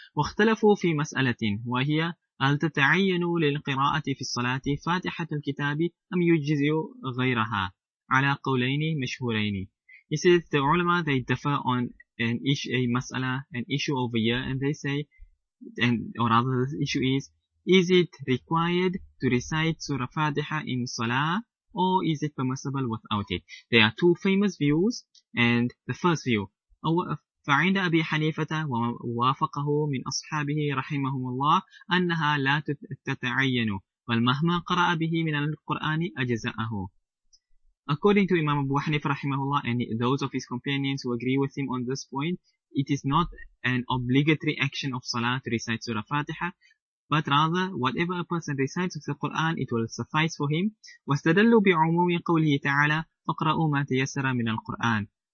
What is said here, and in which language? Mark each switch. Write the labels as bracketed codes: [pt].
[ar] وَاخْتَلَفُوا فِي مَسْأَلَةٍ وَهِيَ أَلْ تَتَعَيَّنُوا لِلْقِرَاءَةِ فِي الصَّلَاةِ فَاتِحَةُ الْكِتَابِ أَمْ يُجِزِيُوا غَيْرَهَا عَلَى قَوْلَيْنِ مَشْهُورَيْنِ. [en] He says, the ulama, they differ on an issue over here, and they say, or rather this issue is it required to recite Surah Fatiha in Salah, or is it permissible without it? There are two famous views, and the first view, [ar] فعند أبي حنيفة ووافقه من أصحابه رحمهم الله أنها لا تتعين بل مهما قرأ به من القرآن أجزأه. [en] According to Imam Abu Hanifa rahimahullah and those of his companions who agree with him on this point, it is not an obligatory action of Salah to recite Surah Fatiha, but rather, whatever a person recites of the Qur'an, it will suffice for him. [ar] وَاسْتَدَلُّوا بِعُمُومِ قَوْلِهِ تَعَالَى فَقْرَأُوا مَا تَيَسَّرَ مِنَ الْقُرْآنِ.